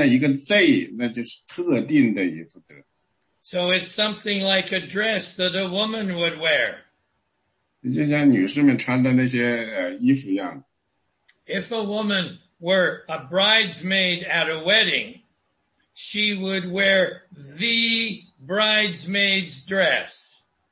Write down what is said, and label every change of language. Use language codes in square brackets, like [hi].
[zh] 然后你把这个26或者30条的这个经文你读一下呢，这个以弗德呢，前面加的是一个A的，这是泛指的以弗德，然后呢一个Z，那就是特定的以弗德。 [en] So it's something like a dress that a woman would wear. [zh] 就像女士们穿的那些衣服一样。 [en] If a woman were a bridesmaid at a wedding, she would wear the bridesmaid's dress.